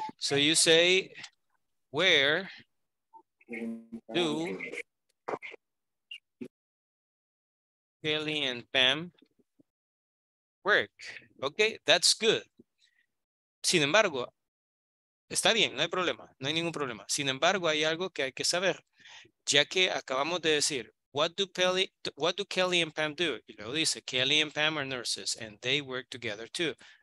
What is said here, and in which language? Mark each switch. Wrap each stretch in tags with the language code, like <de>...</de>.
<en>So you say, where do Kelly and Pam work? Okay, that's good.</en> <es>Sin embargo, está bien, no hay problema, no hay ningún problema. Sin embargo, hay algo que hay que saber. Ya que acabamos de decir,</es> <en>what do Kelly and Pam do?</en> <es>Y luego dice,</es> <en>Kelly and Pam are nurses and they work together too.</en>